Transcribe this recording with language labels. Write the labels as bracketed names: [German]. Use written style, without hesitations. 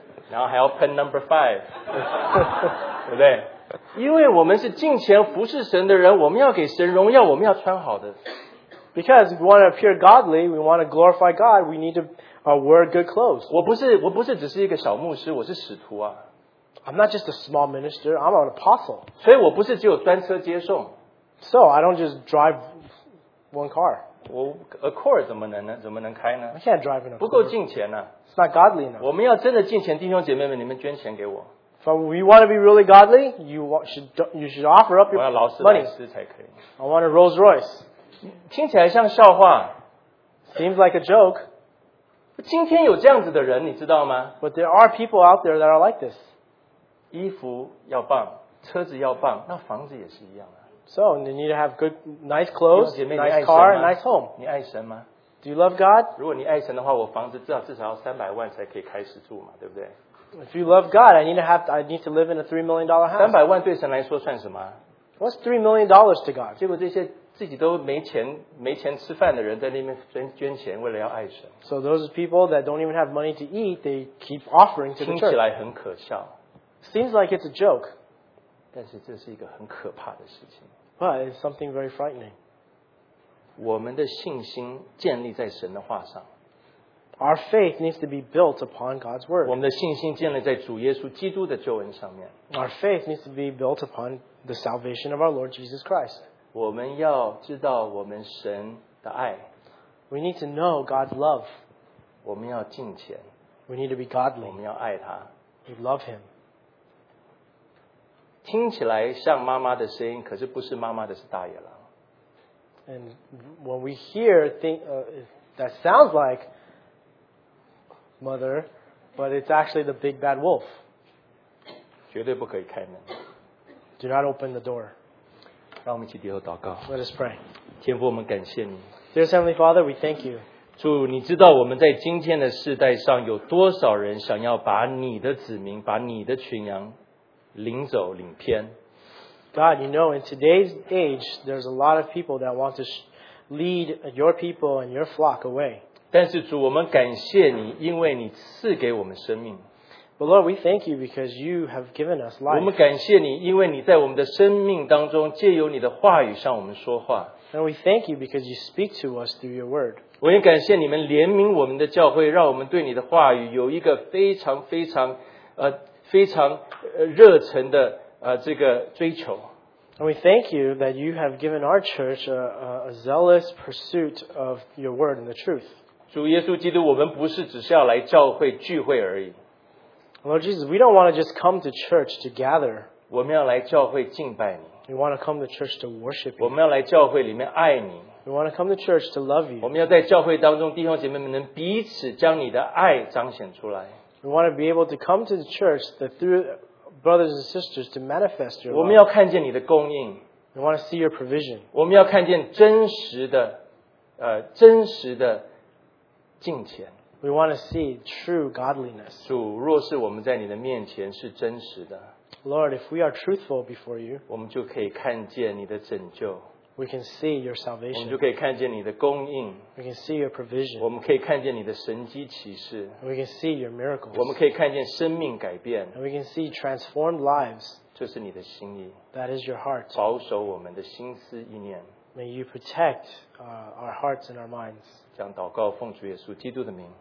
[Chinese] 然后还要喷 number five. 对不对？因为我们是敬虔服侍神的人，我们要给神荣耀，我们要穿好的。 [English] Because we want to appear godly, we want to glorify God, we need to wear good clothes. [Chinese] 我不是只是一个小牧师，我是使徒啊。 [English] I'm not just a small minister, I'm an apostle. [Chinese] 所以我不是只有专车接送。 [English] So, I don't just drive one car. [Chinese] Accord 怎么能开呢？ [English] I can't drive in Accord. [Chinese] 不够敬虔啊。 [English] It's not godly enough. [Chinese] 我们要真的敬虔弟兄姐妹们，你们捐钱给我。 [English] If we want to be really godly, you should offer up your money. [Chinese] 我要劳斯莱斯才可以。 [English] I want a Rolls Royce. [Chinese] 听起来像笑话。 [English] Seems like a joke. [Chinese] 今天有这样子的人，你知道吗？ [English] But there are people out there that are like this. [Chinese] 衣服要棒，车子要棒，那房子也是一样的。 [English] So you need to have good, nice clothes, nice car, nice home. [Chinese] 你爱神吗？ [English] Do you love God? [Chinese] 如果你爱神的话，我房子至少要300万才可以开始住嘛，对不对？ [English] If you love God, I need to live in a $3 million house. [Chinese] 300万对神来说算什么？ [English] What's $3 million to God? [Chinese] 结果这些自己都没钱吃饭的人在那边捐钱，为了要爱神。 [English] So those people that don't even have money to eat, they keep offering to the church. [Chinese] 听起来很可笑。 [English] Seems like it's a joke. [Chinese] 但是这是一个很可怕的事情。 [English] But it's something very frightening. [Chinese] 我们的信心建立在神的话上。 [English] Our faith needs to be built upon God's word. [Chinese] 我们的信心建立在主耶稣基督的救恩上面。 [English] Our faith needs to be built upon the salvation of our Lord Jesus Christ. [Chinese] 我们要知道我们神的爱。 [English] We need to know God's love. [Chinese] 我们要敬虔。 [English] We need to be godly. [Chinese] 我们要爱他。 [English] We love him. [Chinese] 听起来像妈妈的声音，可是不是妈妈的，是大野狼。 [English] And when we hear that sounds like mother, but it's actually the big bad wolf. [Chinese] 绝对不可以开门。 [English] Do not open the door. [Chinese] 让我们一起低头祷告。 [English] Let us pray. [Chinese] 天父，我们感谢你。 [English] Dear Heavenly Father, we thank you. [Chinese] 主，你知道我们在今天的世代上有多少人想要把你的子民，把你的群羊。领走领偏。 [English] God, you know, in today's age, there's a lot of people that want to lead your people and your flock away. [Chinese] 但是主，我们感谢你，因为你赐给我们生命。 [English] But Lord, we thank you because you have given us life. [Chinese] 我们感谢你，因为你在我们的生命当中，借由你的话语向我们说话。 [English] And we thank you because you speak to us through your word. [Chinese] 我也感谢你们怜悯我们的教会，让我们对你的话语有一个非常非常非常热忱的这个追求。 [English] And we thank you that you have given our church a zealous pursuit of your word and the truth. [Chinese] 主耶稣基督，我们不是只是要来教会聚会而已。 [English] Lord Jesus, we don't want to just come to church to gather. [Chinese] 我们要来教会敬拜你。 [English] We want to come to church to worship you. [Chinese] 我们要来教会里面爱你。 [English] We want to come to church to love you. [Chinese] 我们要在教会当中，弟兄姐妹们能彼此将你的爱彰显出来。 [English] We want to be able to come to the church that through brothers and sisters to manifest your love. [Chinese] 我们要看见你的供应。 [English] We want to see your provision. [Chinese] 我们要看见真实的敬虔。 [English] We want to see true godliness. [Chinese] 主，若是我们在你的面前是真实的。 [English] Lord, if we are truthful before you, [Chinese] 我们就可以看见你的拯救。 [English] We can see your salvation. [Chinese] 我们就可以看见你的供应。 [English] We can see your provision. [Chinese] 我们可以看见你的神迹奇事。 [English] We can see your miracles. [Chinese] 我们可以看见生命改变。 [English] And we can see transformed lives. [Chinese] 这是你的心意。 [English] That is your heart. [Chinese] 保守我们的心思意念。 [English] May you protect our hearts and our minds. [Chinese] 将祷告奉主耶稣基督的名。